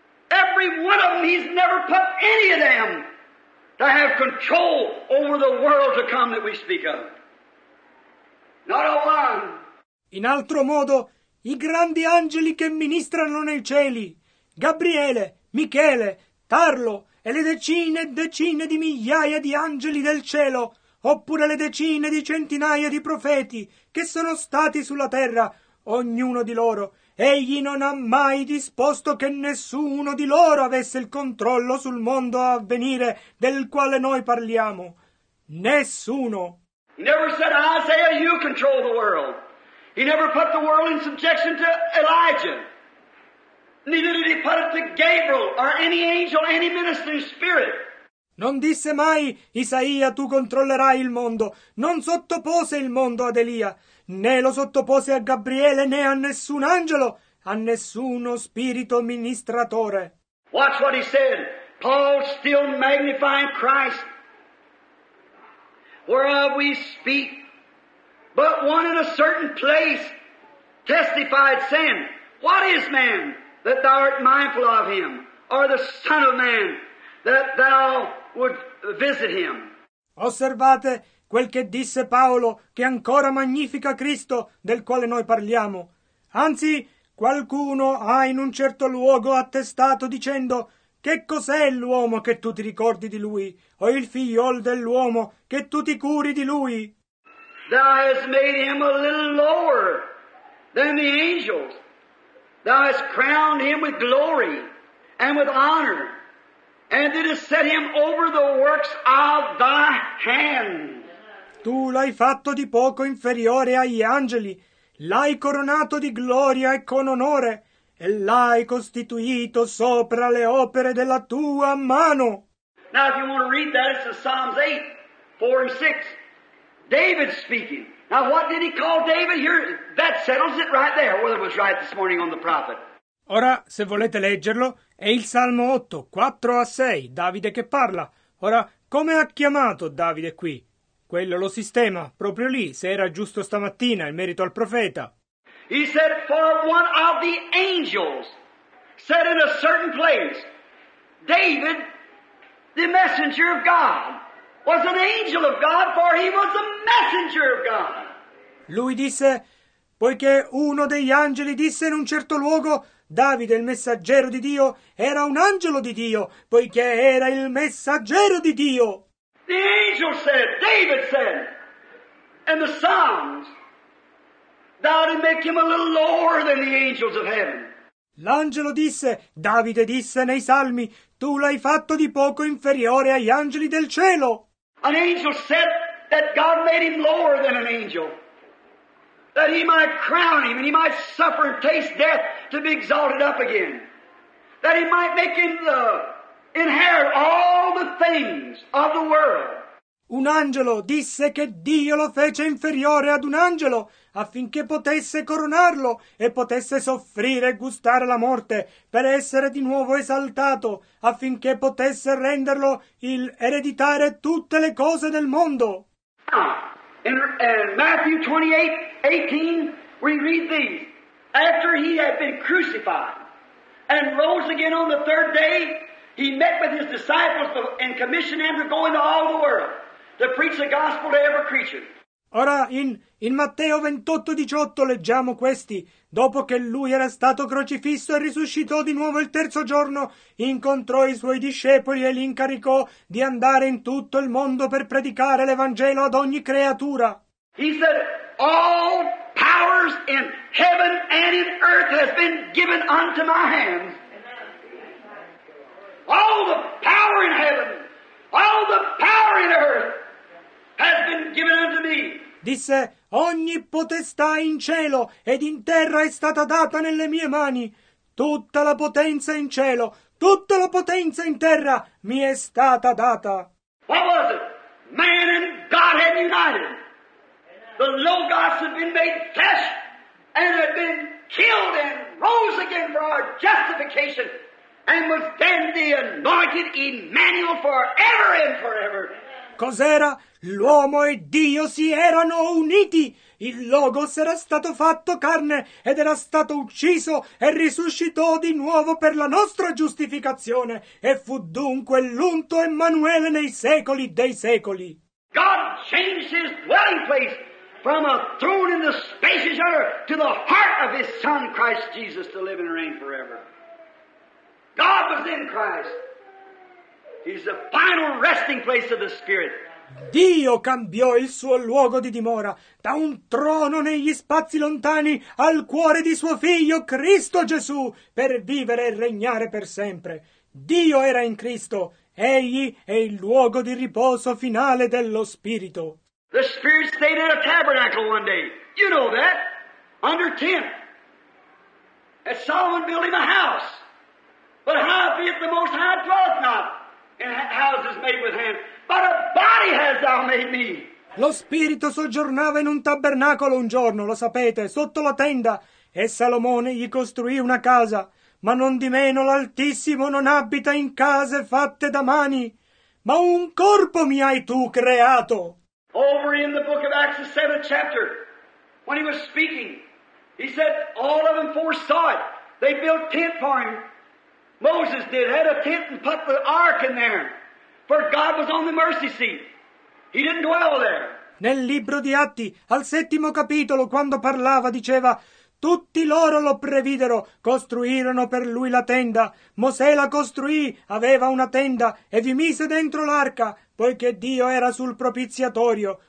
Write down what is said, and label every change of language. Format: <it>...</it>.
<en>Every one of them, he's never put any of them to have control over the world to come that we speak of. Not a one.</en> <it>In altro modo, i grandi angeli che ministrano nei cieli, Gabriele, Michele, Tarlo, e le decine e decine di migliaia di angeli del cielo, oppure le decine di centinaia di profeti che sono stati sulla terra, ognuno di loro, egli non ha mai disposto che nessuno di loro avesse il controllo sul mondo a venire del quale noi parliamo. Nessuno.</it> <en>He never said, Isaiah, you control the world. He never put the world in subjection to Elijah. Neither did he put it to Gabriel or any angel, any ministering spirit.</en> <it>Non disse mai, Isaia, tu controllerai il mondo. Non sottopose il mondo ad Elia, né lo sottopose a Gabriele, né a nessun angelo, a nessuno spirito ministratore.</it> <en>Watch what he said. Paul still magnifying Christ. Whereof we speak. But one in a certain place testified, saying, what is man that thou art mindful of him? Or the son of man that thou would visit him.</en> <it>Osservate quel che disse Paolo, che ancora magnifica Cristo, del quale noi parliamo. Anzi, qualcuno ha in un certo luogo attestato dicendo, che cos'è l'uomo che tu ti ricordi di lui, o il figliol dell'uomo che tu ti curi di lui?</it> <en>Thou hast made him a little lower than the angels. Thou hast crowned him with glory and with honor. And it has set him over the works of thy hand.</en> <it>Tu l'hai fatto di poco inferiore agli angeli, l'hai coronato di gloria e con onore, e l'hai costituito sopra le opere della tua mano.</it> <en>Now if you want to read that, it's in Psalms 8, 4 and 6. David speaking. Now what did he call David here? That settles it right there, whether it was right this morning on the prophet.</en> <it>Ora, se volete leggerlo, è il Salmo 8, 4 a 6, Davide che parla. Ora, come ha chiamato Davide qui? Quello lo sistema, proprio lì, se era giusto stamattina, in merito al profeta.</it> <en>He said, for one of the angels said in a certain place, David, the messenger of God, was an angel of God, for he was a messenger of God.</en> <it>Lui disse, poiché uno degli angeli disse in un certo luogo, Davide, il messaggero di Dio, era un angelo di Dio, poiché era il messaggero di Dio.</it> <en>The angel said, David said, and the Psalms, thou didst make him a little lower than the angels of heaven.</en> <it>L'angelo disse, Davide disse nei Salmi, tu l'hai fatto di poco inferiore agli angeli del cielo.</it> <en>An angel said that God made him lower than an angel, that he might crown him and he might suffer and taste death to be exalted up again, that he might make him the inherit all the things of the world.</en> <it>Un angelo disse che Dio lo fece inferiore ad un angelo affinché potesse coronarlo e potesse soffrire e gustare la morte per essere di nuovo esaltato affinché potesse renderlo il ereditare tutte le cose del mondo.</it> <en>In Matthew 28:18 we read these. After he had been crucified and rose again on the third day, he met with his disciples and commissioned them to go into all the world to preach the gospel to every creature.</en> <it>Ora in Matteo 28:18 leggiamo questi. Dopo che lui era stato crocifisso e risuscitò di nuovo il terzo giorno, incontrò i suoi discepoli e li incaricò di andare in tutto il mondo per predicare l'Evangelo ad ogni creatura.</it> <en>He said, all powers in heaven and in earth has been given unto my hands. All the power in heaven, all the power in earth has been given unto me.</en> <it>Disse, ogni potestà in cielo ed in terra è stata data nelle mie mani. Tutta la potenza in cielo, tutta la potenza in terra mi è stata data.</it> <en>What was it? Man and God had united. The Logos had been made flesh and had been killed and rose again for our justification and was then the anointed Emmanuel forever and forever.</en> <it>Cos'era? L'uomo e Dio si erano uniti. Il Logos era stato fatto carne ed era stato ucciso e risuscitò di nuovo per la nostra giustificazione e fu dunque l'unto Emanuele nei secoli dei secoli.</it> <en>God changed his dwelling place from a throne in the spacious earth to the heart of his son Christ Jesus to live and reign forever. God was in Christ. He's the final resting place of the Spirit.</en> <it>Dio cambiò il suo luogo di dimora, da un trono negli spazi lontani al cuore di suo figlio Cristo Gesù, per vivere e regnare per sempre. Dio era in Cristo, egli è il luogo di riposo finale dello Spirito.</it> <en>The Spirit stayed in a tabernacle one day, you know that, under tent. And Solomon built him a house, but howbeit the Most High dwelleth not in houses made with hands. But a body has thou made me.</en> <it>Lo spirito soggiornava in un tabernacolo un giorno, lo sapete, sotto la tenda, e Salomone gli costruì una casa. Ma non di meno l'Altissimo non abita in case fatte da mani, ma un corpo mi hai tu creato.</it> <en>Over in the book of Acts, the 7th chapter, when he was speaking, he said, all of them foresaw it. They built tent for him. Moses did, had a tent and put the ark in there. For God was on the mercy seat. He didn't dwell there.</en> <it>Nel libro di Atti, al 7° capitolo, quando parlava, diceva, tutti loro lo previdero, costruirono per lui la tenda. Mosè la costruì, aveva una tenda, e vi mise dentro l'arca, poiché Dio era sul propiziatorio.</it>